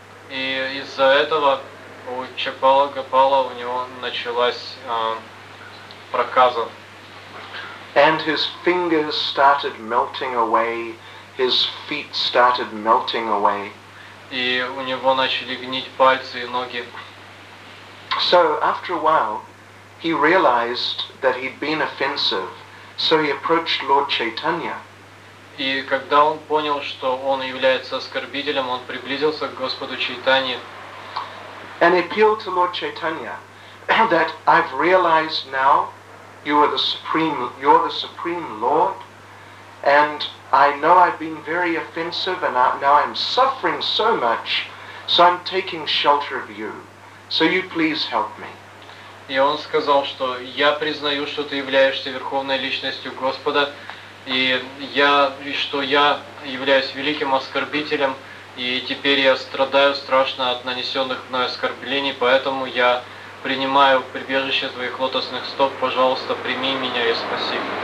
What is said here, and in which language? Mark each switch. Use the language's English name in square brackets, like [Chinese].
[Russian] И из-за этого у Чапала Гопала у него началась проказа. [English] And his fingers started melting away, his feet started melting away. [Russian] И у него начали гнить пальцы и ноги. [English] So after a while, he realized that he'd been offensive, so he approached Lord Chaitanya. [Russian] И когда он понял, что он является оскорбителем, он приблизился к Господу Чайтанье. [English] And appealed to Lord Chaitanya that I've realized now you're the supreme Lord, and I know I've been very offensive, and now I'm suffering so much, so I'm taking shelter of you. So you please help me. [Russian] И он сказал, что я признаю, что ты являешься верховной личностью Господа, и что я являюсь великим оскорбителем, и теперь я страдаю страшно от нанесенных мной оскорблений, поэтому я принимаю прибежище твоих лотосных стоп, пожалуйста, прими меня и спаси.